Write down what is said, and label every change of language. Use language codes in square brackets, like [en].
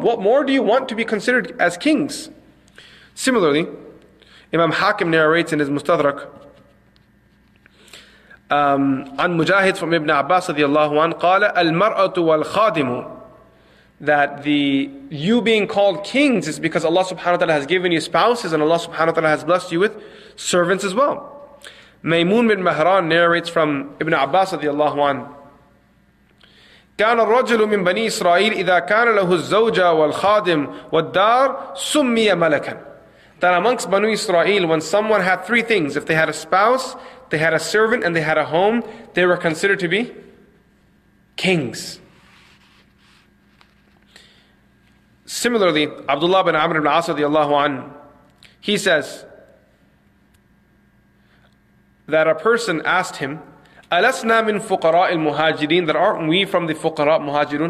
[en] What more do you want to be considered as kings? Similarly, Imam Hakim narrates in his Mustadrak, عن مجاهد from Ibn Abbas radiallahu an, [ar] قال المرأة والخادم, [en] that the you being called kings is because Allah subhanahu wa ta'ala has given you spouses and Allah subhanahu wa ta'ala has blessed you with servants as well. Maymun bin Mahran narrates from Ibn Abbas radiallahu an, [ar] كان الرجل من بني إسرائيل إذا كان له الزوجة والخادم والدار سمي ملكا. [en] That amongst Banu Israel, when someone had three things, if they had a spouse, they had a servant, and they had a home, they were considered to be kings. Similarly, Abdullah bin Amr ibn As radiallahu anhu, he says that a person asked him, [ar] أَلَسْنَا مِن فُقَرَاءِ الْمُهَاجِرِينَ, [en] that aren't we from the fuqara muhajirun?